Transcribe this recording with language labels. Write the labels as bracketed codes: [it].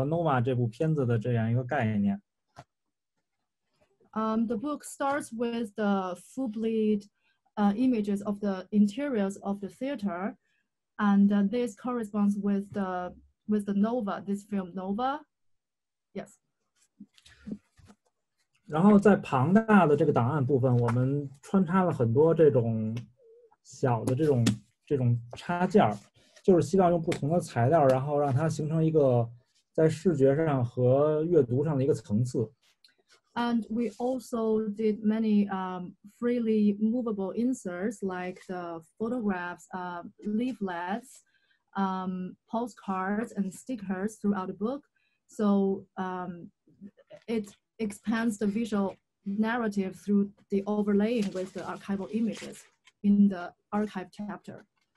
[zh] 所以这个书从一开始就是从这个红霞剧场作为一个进入，然后在书的结束呢，从红霞剧场这个空间作为一个结束，那么它整个就是吻合了曹飞对于这个剧场这个空间，包括他做这个整个红霞项目和Noma这部片子的这样一个概念。 [en] The book starts with the full bleed images of the interiors of the theater, and this corresponds with the Nova, this film Nova. Yes. [zh] 然后在庞大的这个档案部分，我们穿插了很多这种小的这种插件，就是希望用不同的材料，然后让它形成一个在视觉上和阅读上的一个层次。 [en] And we also did many freely movable inserts like the photographs, leaflets, postcards, and stickers throughout the book. So it expands the visual narrative through the overlaying with the archival images in the archive chapter.